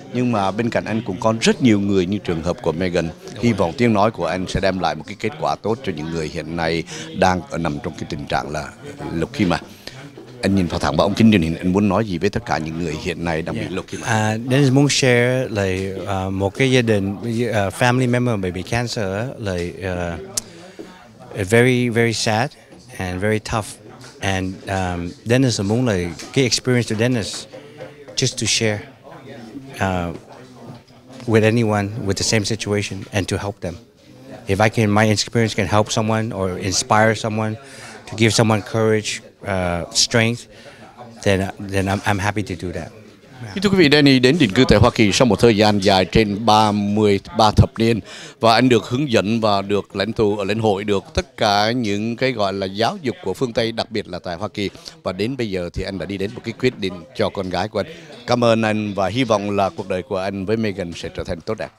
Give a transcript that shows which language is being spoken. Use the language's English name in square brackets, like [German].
[Vietnamese] Nhưng mà bên cạnh anh cũng có rất nhiều người như trường hợp của Megan. Hy vọng tiếng nói của anh sẽ đem lại một cái kết quả tốt cho những người hiện nay đang ở nằm trong cái tình trạng là lục khi mà. Anh nhìn vào thẳng vào ống kính truyền hình, anh muốn nói gì với tất cả những người hiện nay đang bị lục khi mà? Dennis muốn share là một cái gia đình, [English] family member [Vietnamese] bị cancer, là [English] very, very sad. And very tough. And Dennis [Vietnamese] muốn là cái [English] experience [Vietnamese] của [English] Dennis just to share with anyone with the same situation and to help them. If I can, my experience can help someone or inspire someone to give someone courage, strength, then I'm happy to do that. [Vietnamese] Thưa quý vị, Danny đến định cư tại Hoa Kỳ sau một thời gian dài trên 33 thập niên, và anh được hướng dẫn và được lãnh tụ ở lãnh hội, được tất cả những cái gọi là giáo dục của phương Tây, đặc biệt là tại Hoa Kỳ. Và đến bây giờ thì anh đã đi đến một cái quyết định cho con gái của anh. Cảm ơn anh và hy vọng là cuộc đời của anh với Megan sẽ trở thành tốt đẹp.